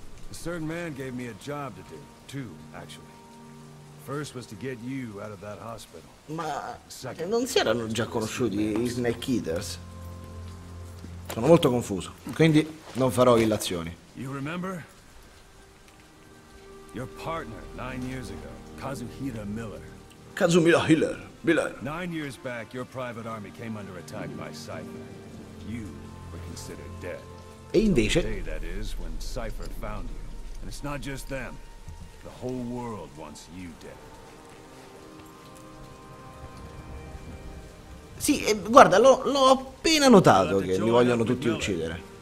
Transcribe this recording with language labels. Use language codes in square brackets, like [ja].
[en] A certain man gave me a job to do. Two, actually. First was to get you out of that hospital. [it] Ma non si erano già conosciuti i Snake Eaters? Sono molto confuso, quindi non farò illazioni. [en] You remember? Your partner, 9 years ago, Kazuhira Miller. Kazuhira Miller. Miller. 9 years back, your private army came under attack by Cypher. You were considered dead. [it] E invece? [en] Today, that is, when Cypher found you. And it's not just them. The whole world wants you dead. [it] Sì, guarda, l'ho appena notato che mi vogliono tutti uccidere.